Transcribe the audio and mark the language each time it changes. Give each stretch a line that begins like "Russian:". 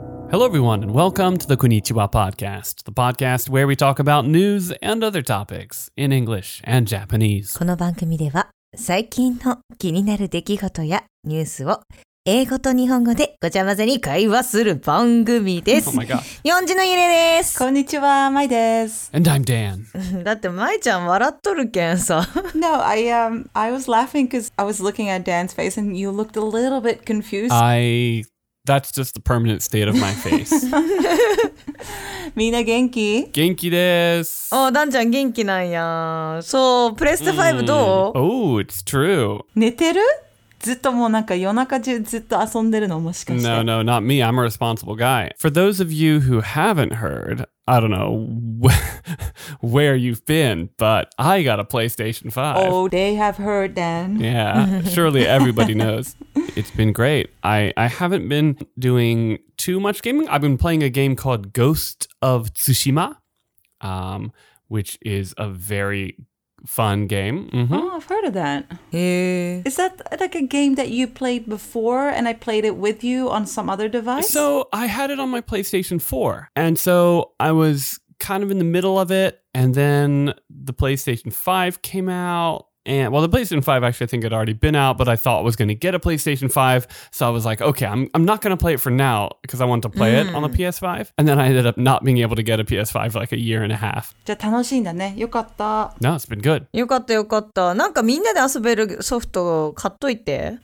English: Hello, everyone, and welcome to the Konnichiwa Podcast, the podcast where we talk about news and other topics in English and Japanese.
Japanese: この番組では最近の気になる出来事やニュースを英語と日本語でごちゃ混ぜに会話する番組です。日本人のゆれです。こんにちは、まいです。
English: And I'm Dan.
Japanese: だってまいちゃん笑っとるけんさ。
English: No, I was laughing because I was looking at Dan's face and you looked a little bit confused. That's just the permanent state of my face.
Japanese: みんな元気？元気です。おー、ダンちゃん元気なんや。そう、プレステ5どう？
English: Oh, it's true.
Japanese: 寝てる？ずっともうなんか夜中中ずっと遊んでるのもしかして
English: No, not me. I'm a responsible guy. For those of you who haven't heard, I don't know where you've been, but I got a PlayStation 5. Oh, they have heard then. Yeah, surely everybody knows. It's been great. I haven't been doing too much gaming. I've been playing a game called Ghost of Tsushima, which is a very fun game. Mm-hmm. Oh, I've heard of that. Yeah. Is that like a game that you played before and I played it with you on some other device? So I had it on my PlayStation 4. And so I was kind of in the middle of it. And then the PlayStation 5 came out. And well, the PlayStation 5 actually I think had already been out, but I thought I was going to get a PlayStation 5. So I was like, okay, I'm not going to play it for now because I want to play it on the PS5. And then I ended up not being able to get a PS5 for like a year and a half.
Japanese: じゃあ楽しいんだね。よかった。
English: No, it's been good.
Japanese: よかったよかった。なんかみんなで遊べるソフト買っといて。